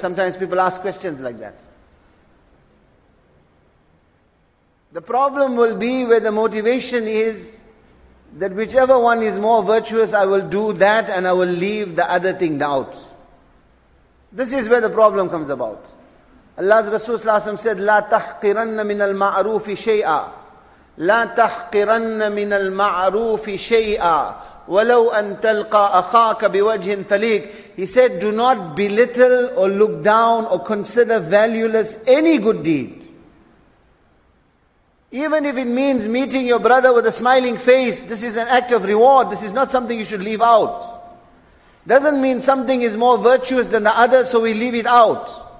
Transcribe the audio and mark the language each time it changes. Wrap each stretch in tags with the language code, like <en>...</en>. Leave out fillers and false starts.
<en>Sometimes people ask questions like that. The problem will be where the motivation is that whichever one is more virtuous, I will do that and I will leave the other thing out. This is where the problem comes about. Allah's Rasul sallallahu alaihi wasallam said,</en> <ar>لا تحقرن من المعروف شيئا لا تحقرن من المعروف شيئا ولو أن تلقى أخاك بوجه تليق.</ar> <en>He said, do not belittle or look down or consider valueless any good deed. Even if it means meeting your brother with a smiling face, this is an act of reward. This is not something you should leave out. Doesn't mean something is more virtuous than the other, so we leave it out.</en>